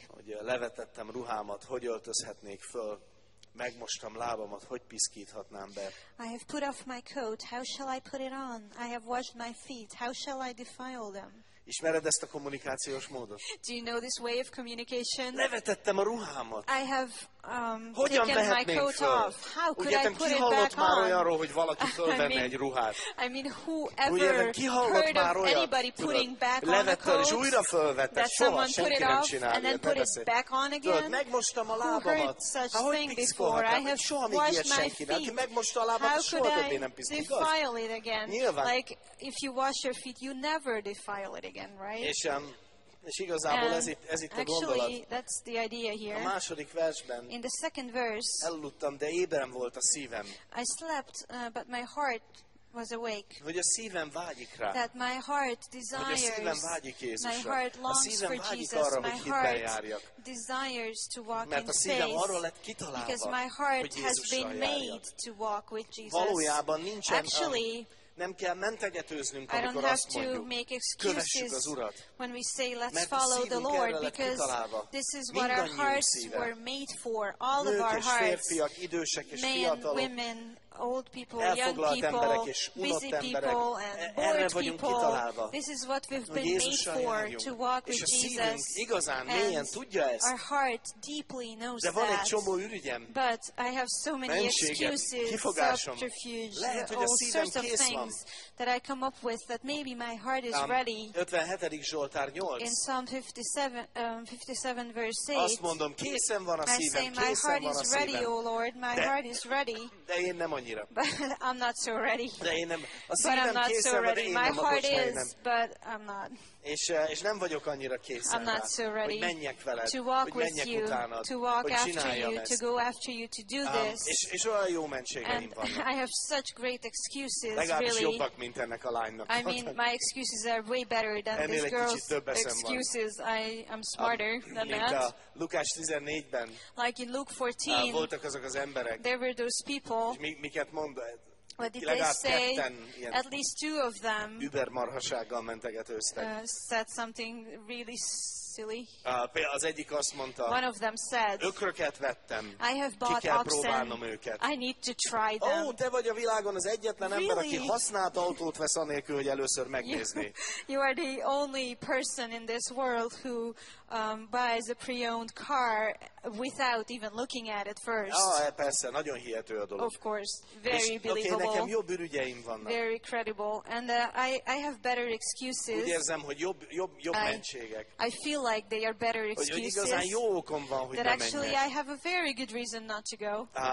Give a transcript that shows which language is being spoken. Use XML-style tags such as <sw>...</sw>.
<hu>hogy levetettem ruhámat, hogy öltözhetnék föl, megmostam lábamat, hogy piszkíthatnám be.</hu> <en>I have put off my coat, how shall I put it on? I have washed my feet, how shall I defile them?</en> <hu>Ismered ezt a kommunikációs módot?</hu> <en>Do you know this way of communication?</en> <hu>Levetettem a ruhámat.</hu> <en>I have taken my coat off. How could I put it back on?</en> <hu>Már olyanról, hogy valaki fölvenne egy ruhát.</hu> <en>I mean, whoever heard of anybody putting back on a coat?</en> <hu>És újra fölvette, soha senki nem csinál.</hu> <en>And then put it back on again?</en> <hu>Megmostam a lábamat.</hu> <en>Who heard such thing before? I have washed my feet.</en> <hu>Aki megmosta a lábamat, soha többé nem piszt, igaz?</hu> <en>How could I defile it again?</en> <hu>Nyilván.</hu> <en>Like, if you wash your feet, you never defile it again, right?</en> <hu>És igazából ez itt a</hu> <en>actually,</en> <hu>gondolat.</hu> <en>That's the idea here.</en> <hu>A második versben.</hu> <en>In the second verse.</en> <hu>Elaludtam, de éberem volt a szívem.</hu> <en>I slept, but my heart was awake.</en> <hu>Hogy a szívem vágyik rá.</hu> <en>That my heart desires.</en> <hu>Hogy a szívem vágyik Jézusra.</hu> <en>My heart longs for Jesus.</en> <hu>Arra,</hu> <en>my heart desires to walk in faith.</en> <hu>Mert a szívem arra lett kitalálva.</hu> <en>Because my heart</en> <hu>hogy</hu> <en>has been</en> <hu>járjak.</hu> <en>Made to walk with Jesus.</en> <hu>Valójában nincsen.</hu> <en>Actually,</en> <hu>nem kell mentegetőznünk, amikor azt mondjuk,</hu> <en>to make</en> <hu>kövessük az Urat.</hu> <en>When we say, let's follow the Lord, because this is what our hearts</en> <hu>szíve.</hu> <en>Were made for, all</en> <hu>nők</hu> <en>of our hearts,</en> <hu>férfiak, idősek és</hu> <en>men,</en> <hu>fiatalok,</hu> <en>women, old people, young people, busy people, and bored people. This is what we've been made for, to walk with Jesus. And our heart deeply knows</en> <hu>de</hu> <en>that.</en> <hu>Csomó ürügyem,</hu> <en>but I have so many excuses, subterfuge, all sorts of things that I come up with that maybe my heart is ready.</en> <hu>57. Zsoltár 8.</hu> <en>In Psalm 57, verse 8,</en> <hu>azt mondom, készen van a szívem,</hu> <en>I say, my heart is ready, O Lord, my</en> <hu>de,</hu> <en>heart is ready.</en> <hu>De én nem annyi annyira.</hu> <en>But I'm not so ready.</en> <hu>De én nem. A szívem készen, de én nem.</hu> <en>My heart is, but I'm not.</en> <hu>És nem vagyok annyira készen.</hu> <en>I'm not so ready.</en> <hu>Hogy menjek veled,</hu> <en>to walk</en> <hu>hogy menjek</hu> <en>with you,</en> <hu>utánad,</hu> <en>to walk</en> <hu>hogy</hu> <en>after you,</en> <hu>ezt.</hu> <en>To go after you, to do this.</en> <hu>És olyan jó mentségeim</hu> <en>and</en> <hu>vannak.</hu> <en>I have such great excuses,</en> <hu>legalábbis</hu> <en>really.</en> <hu>Legalábbis jobbak, mint ennek a lánynak.</hu> <en>I mean, my excuses are way better than</en> <hu>ennél</hu> <en>this girl's excuses. I'm smarter than</en> <hu>mint</hu> <en>that.</en> <hu>A Lukács 14-ben.</hu> <en>Like in Luke 14.</en> <hu>Voltak azok az emberek.</hu> <en>There were those people.</en> <hu>Miket mond?</hu> <en>What did they say? At least two of them said something really silly.</en> <hu>Az egyik azt mondta,</hu> <en>one of them said,</en> <hu>ökröket vettem.</hu> <en>I have bought oxen.</en> <hu>Őket.</hu> <en>I need to try them.</en> <hu>Oh, te vagy a világon az egyetlen</hu> <en>really?</en> <hu>Ember, aki használt autót vesz anélkül, hogy először megnézni.</hu> <en>You are the only person in this world who buys a pre-owned car without even looking at it first.</en> <hu>Ah, persze, nagyon hihető a dolog.</hu> <en>Of course, very believable.</en> <hu>Okay, nekem jobb ürügyeim vannak.</hu> <en>Very credible, and I have better excuses.</en> <hu>Úgy érzem, hogy jobb mentségek.</hu> <en>I feel like they are better excuses.</en> <hu>Hogy igazán jó okom van, hogy</hu> <en>that actually I have a very good reason not to go.</en>